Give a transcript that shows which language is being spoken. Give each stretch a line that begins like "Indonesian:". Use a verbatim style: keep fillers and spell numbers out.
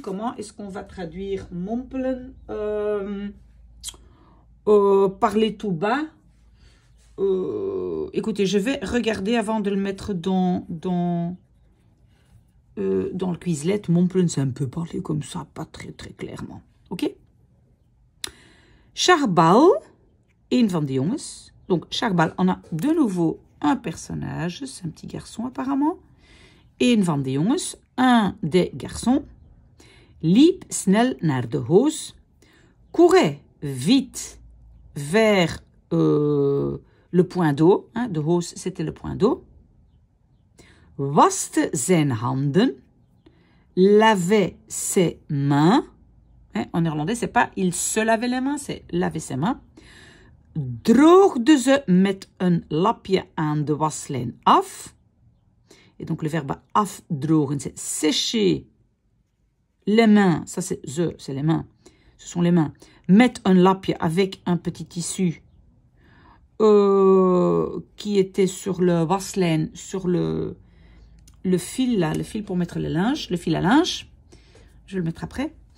French: Comment est-ce qu'on va traduire mompelen euh, euh, parler tout bas. Euh, écoutez, je vais regarder avant de le mettre dans, dans, euh, dans le Quizlet. Mompelen, c'est un peu parler comme ça, pas très très clairement. Ok?
Dutch: Charbal, een van de jongens.
French: Donc, Charbal, on a de nouveau un personnage. C'est un petit garçon apparemment.
Dutch: Een van de jongens,
French: un des garçons,
Dutch: liep snel naar de hoos,
French: courait vite vers euh, le point d'eau. Hein,
Dutch: de hoos,
French: c'était le point d'eau.
Dutch: Waste zijn handen,
French: lavait ses mains. Hein, en néerlandais, c'est pas il se lavait les mains, c'est lavait ses mains.
Dutch: droogde ze met een lapje aan de waslijn af.
French: Et donc le verbe afdrogen, c'est sécher les mains. Ça c'est ze, c'est les mains. Ce sont les mains. Mettre un lapje avec un petit tissu euh, qui était sur le waslijn, sur le, le fil là, le fil pour mettre le linge, le fil à linge. Je vais le mettre après.